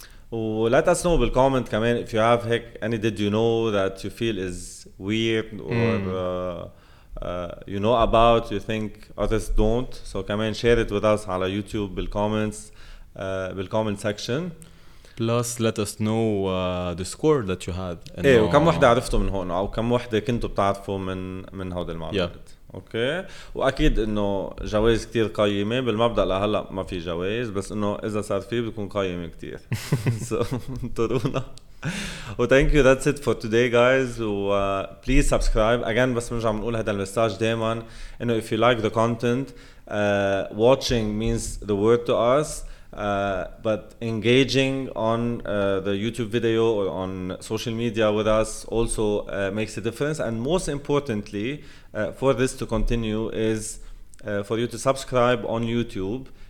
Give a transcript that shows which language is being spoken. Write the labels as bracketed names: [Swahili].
[English] Let us know in the comment [Arabic] كمان [English] if you have [Arabic] هيك [English] any did you know that you feel is weird or you know about, you think others don't. So come and share it with us on YouTube in the comment section. Plus, let us know the score that you had. [Arabic] إيه وكم واحدة عرفتوا من هون أو كم واحدة كنتوا بتعرفوا من هاد المعلومات. أوكي. وأكيد إنه جوائز كتير قيمة بالمبدأ لهلا ما في جوائز, بس إنه إذا صار فيه بتكون قيمة كتير. [English] So [Arabic] انتظرونا. [English] Well, thank you. That's it for today, guys. Please subscribe. [Arabic] Again, بس مش عم نقول هذا المساج دائما. [English] You know, if you like the content, watching means the world to us. But engaging on the YouTube video or on social media with us also makes a difference. And most importantly, for this to continue is for you to subscribe on YouTube.